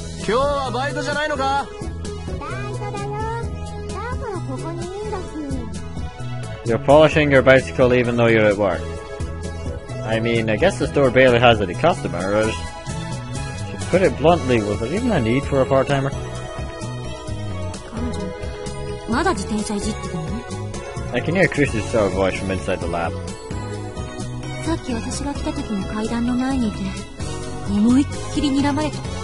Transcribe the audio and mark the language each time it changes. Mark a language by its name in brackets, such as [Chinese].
[Japanese] 今日はバイトじゃないのか。バイトだよ。だからここにいるんだし。 [English] You're polishing your bicycle even though you're at work. I mean, I guess the store barely has any customers. To put it bluntly, was there even a need for a part-timer? [Japanese] 彼女、まだ自転車いじってたの？ [English] I can hear Chris's sour voice from inside the lab. [Japanese] さっき私が来た時の階段の前にいて、思いっきり睨まれた。